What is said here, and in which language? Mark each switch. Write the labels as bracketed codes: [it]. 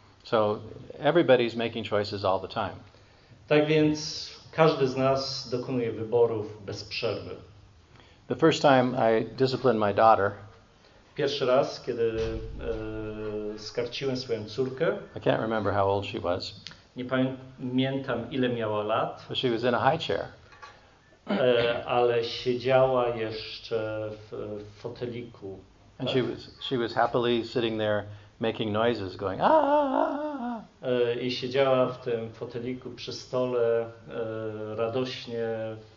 [en] So everybody's making choices all the time. [pl] Tak więc każdy z nas dokonuje wyborów bez przerwy. [en] The first time I disciplined my daughter, [pl] pierwszy raz, kiedy skarciłem swoją córkę, [en] I can't remember how old she was. [pl] Nie pamiętam, ile miała lat. [en] But she was in a high chair. [pl] Ale siedziała jeszcze w foteliku. [en] And [pl] tak? [en] she was happily sitting there making noises, going ah. [pl] I siedziała w tym foteliku przy stole radośnie.